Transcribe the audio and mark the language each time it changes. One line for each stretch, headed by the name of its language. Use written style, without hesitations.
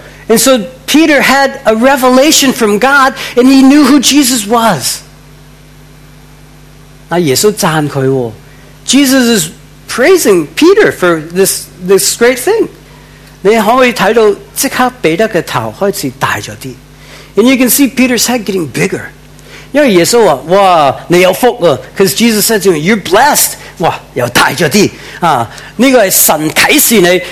English: And so Peter had a revelation from God, and he knew who Jesus was.
Cantonese: 那耶稣赞他哦,
English: Jesus is praising Peter for this great thing.
Cantonese: 你可以看到,立刻彼得的头开始大了一点。
English: And you can see Peter's head getting bigger.
Cantonese: 因为耶稣说,哇,你有福了, because
English: Jesus said to him, you're blessed.
Cantonese: 哇,又大了一点。这个是神启示你,